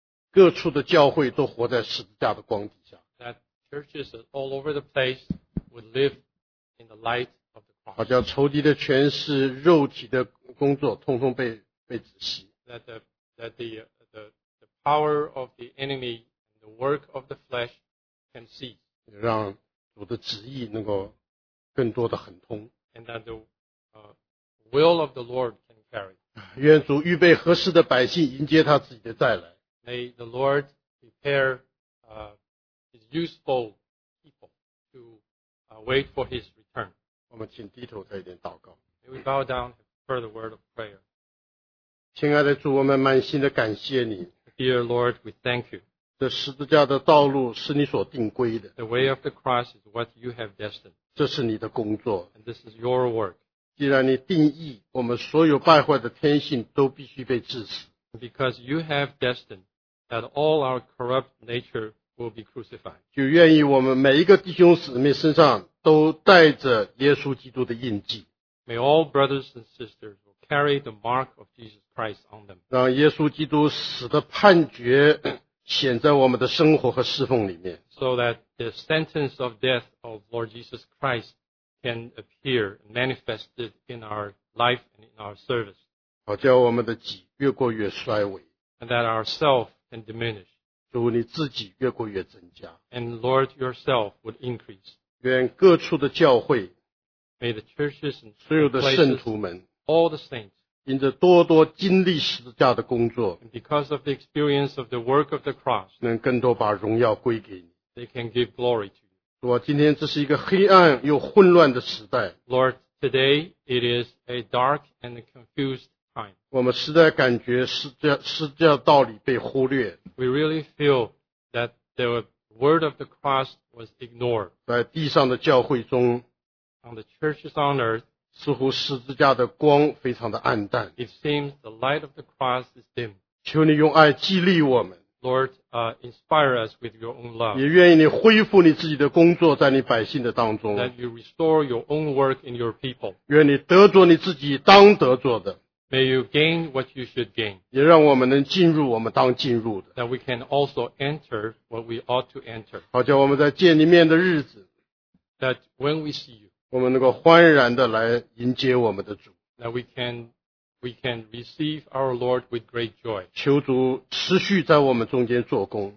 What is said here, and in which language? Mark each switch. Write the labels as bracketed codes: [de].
[zh] 各处的教会都活在十字架的光底下 [en] that churches all over the place would live in the light of the cross [zh] 好像仇敌的权势肉体的工作通通被止息 [en] that the power of the enemy the work of the flesh can cease [zh] 让主的旨意能够更多的亨通 [en] and that the will of the Lord can carry. [zh] 愿主预备合适的百姓迎接他自己的再来。 [en] May the Lord prepare his useful people to wait for his return. [zh] 我们请低头做一点祷告。 [en] May we bow down for the word of prayer. [zh] 亲爱的主，我们满心的感谢你。 [en] Dear Lord, we thank you. [zh] 这十字架的道路是你所定规的。 [en] The way of the cross is what you have destined. [zh] 这是你的工作。 [en] And this is your work. [zh] 既然你定义我们所有败坏的天性都必须被致死。 [en] Because you have destined that all our corrupt nature will be crucified. [zh] 就愿意我们每一个弟兄姊妹身上都带着耶稣基督的印记。 [en] May all brothers and sisters carry the mark of Jesus Christ on them. [zh] 让耶稣基督死的判决显在我们的生活和侍奉里面。 [en] So that the sentence of death of Lord Jesus Christ can appear manifested in our life and in our service. [zh] 好叫我们的己越过越衰微。 [en] And that our self can diminish. [zh] 主你自己越过越增加。 [en] And Lord yourself would increase. [zh] 愿各处的教会。 [en] May the churches and places, [zh] 所有的圣徒们。 [en] All the saints. [zh] 因着多多经历十字架的工作。 [en] And because of the experience of the work of the cross. [zh] 能更多把荣耀归给你。 [en] They can give glory to you. [zh] 主啊，今天这是一个黑暗又混乱的时代。 [en] Lord, today it is a dark and confused time. [zh] 我们实在感觉十字架道理被忽略。 [en] We really feel that the word of the cross was ignored. [zh] 在地上的教会中 [en] ，On the churches on earth, [zh] 似乎十字架的光非常的暗淡。 [en] It seems the light of the cross is dim. [zh] 求你用爱激励我们。 [en] Lord, inspire us with your own love. [zh] 也愿意你恢复你自己的工作在你百姓的当中。 [en] That you restore your own work in your people. [zh] 愿你得着你自己当得着的。 [en] May you gain what you should gain. [zh] 也让我们能进入我们当进入的。 [en] That we can also enter what we ought to enter. [zh] 好叫我们在见你面的日子。 [en] That when we see you. [zh] 我们能够欢然的来迎接我们的主。 [en] That we can receive our Lord with great joy. [zh] 求主持续在我们中间做工。